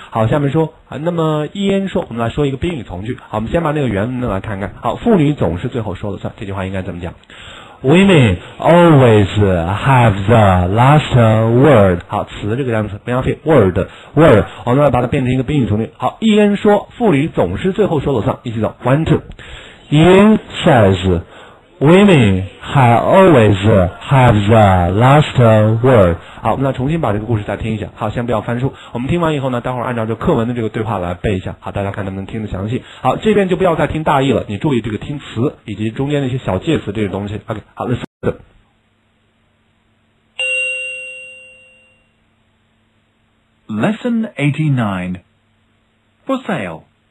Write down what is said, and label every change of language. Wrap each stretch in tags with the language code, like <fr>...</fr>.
<zh>好，下面说啊，那么伊恩说，我们来说一个宾语从句。好，我们先把那个原文来看看。好，妇女总是最后说了算，这句话应该怎么讲？</zh> <en>Women always have the last word.</en> <zh>好，词这个单词不要费 word 我们要把它变成一个宾语从句。好，伊恩说妇女总是最后说了算，一起走</zh> <en>one two. Ian says women always have the last word.</en> <zh>好，我们来重新把这个故事再听一下。好，先不要翻书，我们听完以后呢，待会儿按照就课文的这个对话来背一下。好，大家看能不能听得详细。好，这边就不要再听大意了，你注意这个听词以及中间的一些小介词这些东西。</zh> <en>OK, 好 let's go. Hello, Lesson 89 For Sale.</en>